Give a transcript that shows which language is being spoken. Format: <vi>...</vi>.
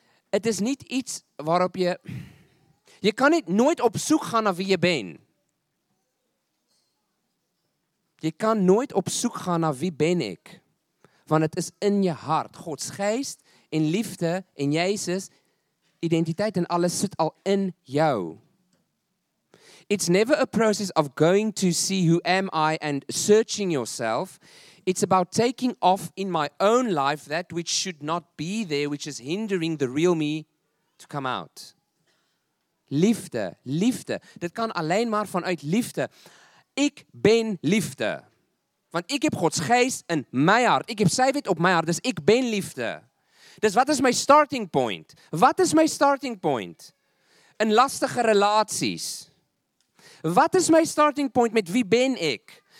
<nl>Het is niet iets waarop je... Je kan niet nooit op zoek gaan naar wie je bent. Je kan nooit op zoek gaan naar wie ben ik. Want het is in je hart. Gods geest, in liefde, in Jezus... Identiteit en alles zit al in jou.</nl> <en>It's never a process of going to see who am I and searching yourself. It's about taking off in my own life that which should not be there, which is hindering the real me to come out.</en> <nl>Liefde, liefde. Dat kan alleen maar vanuit liefde. Ik ben liefde. Want ik heb Gods geest in mijn hart. Ik heb zijn wet op mijn hart, dus ik ben liefde. Dus wat is mijn starting point? Wat is mijn starting point? In lastige relaties. Wat is mijn starting point? Met wie ben ik?</nl>